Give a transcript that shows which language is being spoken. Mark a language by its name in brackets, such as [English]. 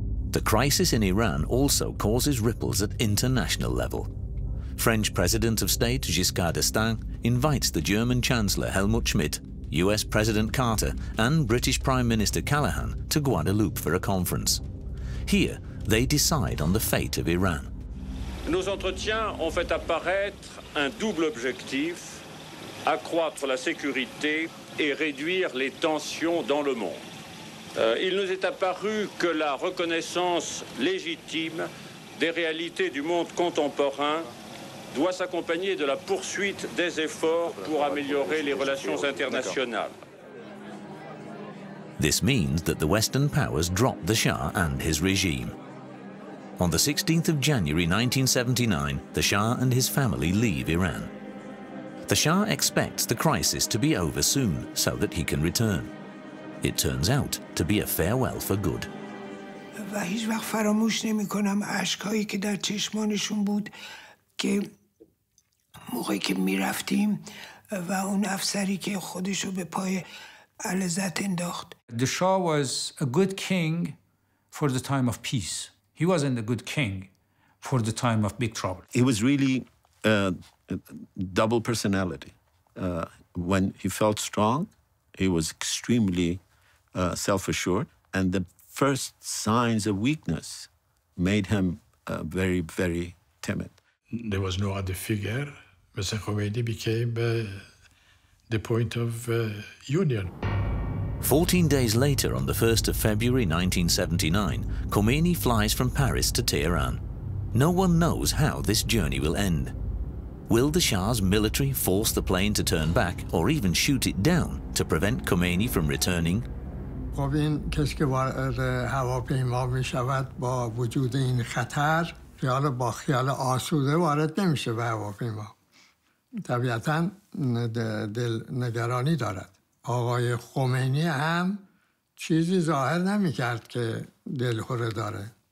[English] The crisis in Iran also causes ripples at international level. French President of State Giscard d'Estaing invites the German Chancellor Helmut Schmidt, US President Carter, and British Prime Minister Callaghan to Guadeloupe for a conference. Here, they decide on the fate of Iran. [French] Nos entretiens ont fait apparaître un double objectif, accroître la sécurité et réduire les tensions dans le monde. Il nous est apparu que la reconnaissance légitime des réalités du monde contemporain doit s'accompagner de la poursuite des efforts pour améliorer les relations internationales. [English] This means that the Western powers dropped the Shah and his regime. On the 16th of January 1979, the Shah and his family leave Iran. The Shah expects the crisis to be over soon so that he can return. It turns out to be a farewell for good. [Persian] و هیچ وقت فراموش نمی کنم اشکایی که در چشمانشون بود که موقعی که می رفتیم و اون افسری که خودشو به پای علیزاده انداخت. [English] The Shah was a good king for the time of peace. He wasn't a good king for the time of big trouble. He was really a double personality. When he felt strong, he was extremely self-assured, and the first signs of weakness made him very, very timid. There was no other figure. Mr. Khomeini became the point of union. 14 days later, on the 1st of February 1979, Khomeini flies from Paris to Tehran. No one knows how this journey will end. Will the Shah's military force the plane to turn back or even shoot it down to prevent Khomeini from returning? [Persian] خب این کسی که وارد هواپیما می شود با وجود این خطر خیال با خیال آسوده وارد نمی شه به هواپیما. طبیعتاً دل نگرانی دارد. آقای خمینی هم چیزی ظاهر نمی کرد که دلخوره داره.